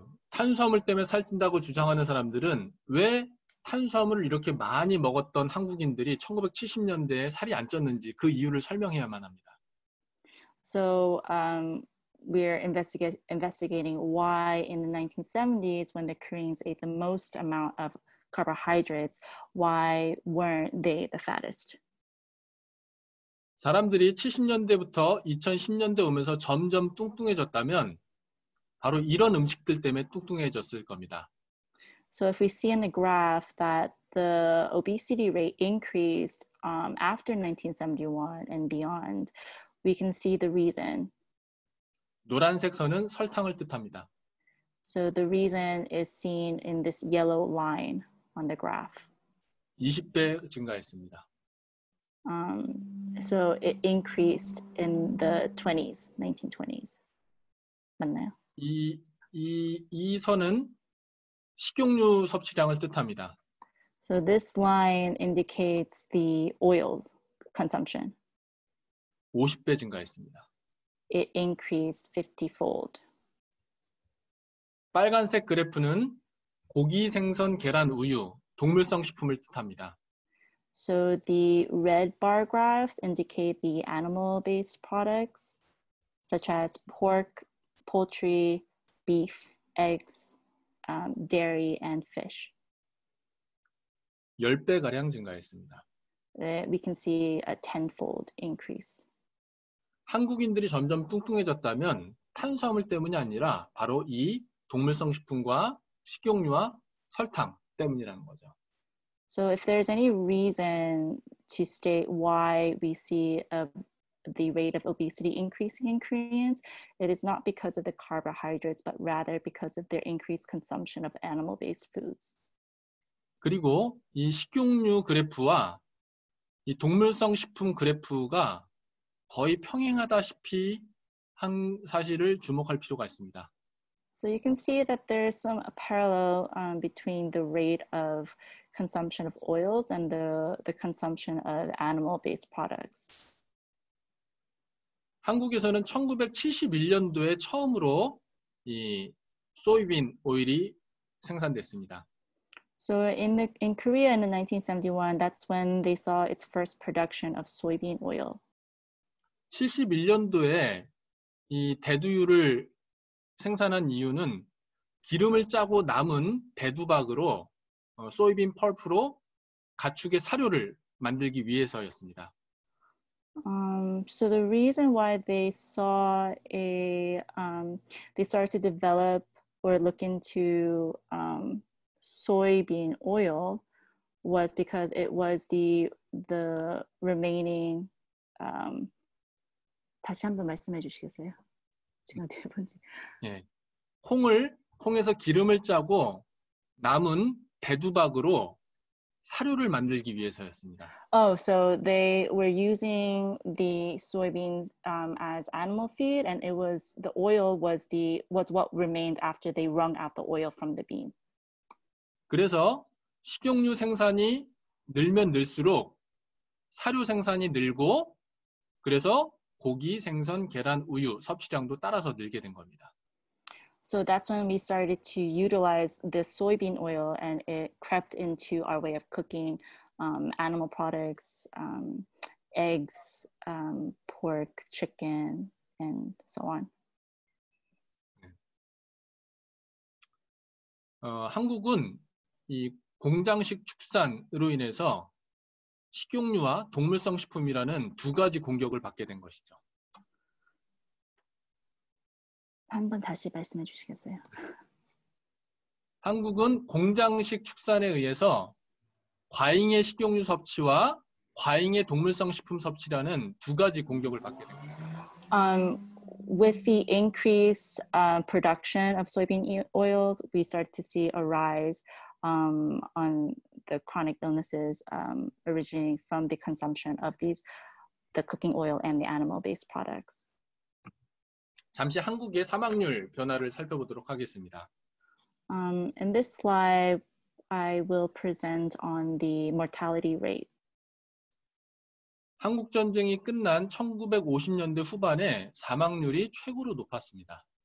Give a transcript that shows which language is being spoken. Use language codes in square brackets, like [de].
[ko] 탄수화물 때문에 살찐다고 주장하는 사람들은 왜 탄수화물을 이렇게 많이 먹었던 한국인들이 1970년대에 살이 안 쪘는지 그 이유를 설명해야만 합니다. [en] So we're investigating why in the 1970s when the Koreans ate the most amount of carbohydrates, why weren't they the fattest? [ko] 사람들이 70년대부터 2010년대 오면서 점점 뚱뚱해졌다면 바로 이런 음식들 때문에 뚱뚱해졌을 겁니다. [en] So if we see in the graph that the obesity rate increased after 1971 and beyond, we can see the reason. [ko] 노란색 선은 설탕을 뜻합니다. [en] So the reason is seen in this yellow line on the graph. [ko] 20배 증가했습니다. [en] So it increased in the 20s, 1920s. [ko] 맞나요? 이 선은 식용유 섭취량을 뜻합니다. [en] So this line indicates the oil consumption. [ko] 50배 증가했습니다. [en] It increased 50-fold. [ko] 빨간색 그래프는 고기, 생선, 계란, 우유, 동물성 식품을 뜻합니다. [en] So the red bar graphs indicate the animal-based products such as pork, poultry, beef, eggs, dairy, and fish. [ko] 10배가량 증가했습니다. [en] We can see a tenfold increase. [ko] 한국인들이 점점 뚱뚱해졌다면 탄수화물 때문이 아니라 바로 이 동물성 식품과 식용유와 설탕 때문이라는 거죠. [en] So if there's any reason to state why we see the rate of obesity increasing in Koreans, it is not because of the carbohydrates, but rather because of their increased consumption of animal-based foods. [ko] 그리고 이 식용유 그래프와 이 동물성 식품 그래프가 거의 평행하다시피 한 사실을 주목할 필요가 있습니다. [en] So you can see that there's some parallel between the rate of consumption of oils and the consumption of animal-based products. [ko] 한국에서는 1971년도에 처음으로 이 소이빈 오일이 생산됐습니다. [en] So in Korea in 1971, that's when they saw its first production of soybean oil. [ko] 71년도에 이 대두유를 생산한 이유는 기름을 짜고 남은 대두박으로 소이빈 펄프로 가축의 사료를 만들기 위해서였습니다. [en] So the reason why they saw they started to develop or look into soybean oil was because it was the remaining [ko] 다시 한번 말씀해 주시겠어요? 지금 대본지. 예. 콩에서 기름을 짜고 남은 대두박으로 사료를 만들기 위해서였습니다. [en] Oh, so they were using the soybeans as animal feed and it was the oil was what remained after they wrung out the oil from the bean. [ko] 그래서 식용유 생산이 늘면 늘수록 사료 생산이 늘고 그래서 고기, 생선, 계란, 우유 섭취량도 따라서 늘게 된 겁니다. [en] So that's when we started to utilize the soybean oil and it crept into our way of cooking animal products, eggs, pork, chicken, and so on. [ko] 한국은 이 공장식 축산으로 인해서 식용유와 동물성 식품이라는 두 가지 공격을 받게 된 것이죠. 한번 다시 말씀해 주시겠어요? 한국은 공장식 축산에 의해서 과잉의 식용유 섭취와 과잉의 동물성 식품 섭취라는 두 가지 공격을 받게 됩니다. [en] With the increased production of soybean oils, we start to see a rise on the chronic illnesses originating from the consumption of these, the cooking oil and the animal-based products. [ko] 잠시 한국의 사망률 변화를 살펴보도록 하겠습니다. [en] In this slide, I will present on the mortality rate. [ko] 한국 전쟁이 끝난 1950년대 후반에 사망률이 최고로 높았습니다.